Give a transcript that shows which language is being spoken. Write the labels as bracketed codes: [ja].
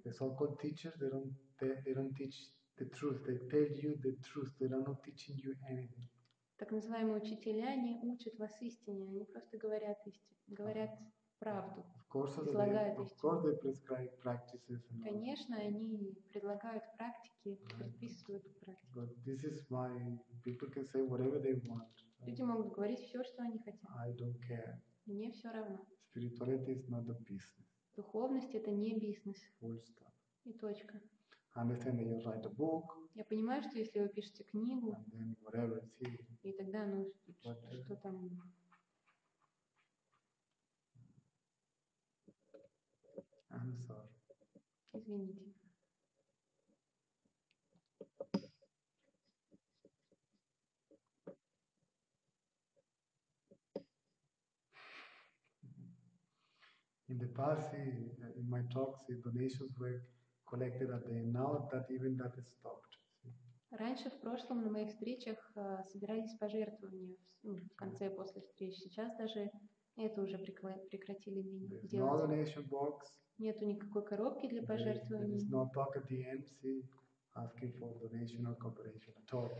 [en] The so-called teachers, they don't teach the truth. They tell you the truth. They are not teaching you anything. [ru] Так называемые учителя не учат вас истине. Они просто говорят истину, говорят правду, излагают истину. [en] Of course, they prescribe practices. [ru] Конечно, они предлагают практики, предписывают практики. [en] But this is why people can say whatever they want. [ru] Люди могут говорить все, что они хотят. [en] I don't care. [ru] Мне все равно. [en] Spirituality is not a business. [ru] Духовность это не бизнес. [en] Full stop. [ru] И точка. [en] I understand that you write a book. [ru] Я понимаю, что если вы пишете книгу, [en] and then whatever, see, [ru] и тогда ну что там. [en] I'm sorry. [ru] Извините. [en] In the past, in my talks, the donations were collected at the end. Now that even that is stopped. [ru] Раньше в прошлом на моих встречах собирались пожертвования в конце после встреч. Сейчас даже это уже прекратили делать. [en] No donation box. [ru] Нету никакой коробки для пожертвований. [en] There is no pocket DMC asking for donation or cooperation at all.